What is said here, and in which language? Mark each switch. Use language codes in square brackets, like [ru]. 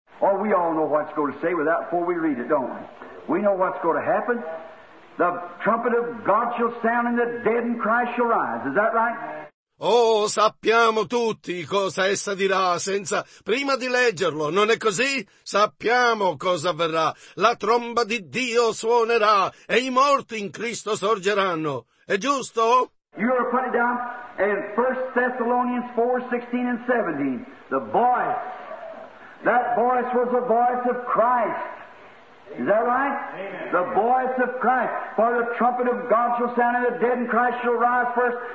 [en] Oh, we all know what's going to say without before we read it, don't we? We know what's going to happen. The trumpet of God shall sound and the dead in Christ shall rise. Is that right? [it] Oh, sappiamo tutti cosa essa dirà senza prima di leggerlo, non è così? Sappiamo cosa avverrà. La tromba di Dio suonerà e i morti in Cristo sorgeranno. È giusto? [en] You are put it down in 1 Thessalonians 4, 16 and 17. The voice. That voice was the voice of Christ. Is that right? Amen. The voice of Christ. For the trumpet of God shall sound, and the dead in Christ shall rise first.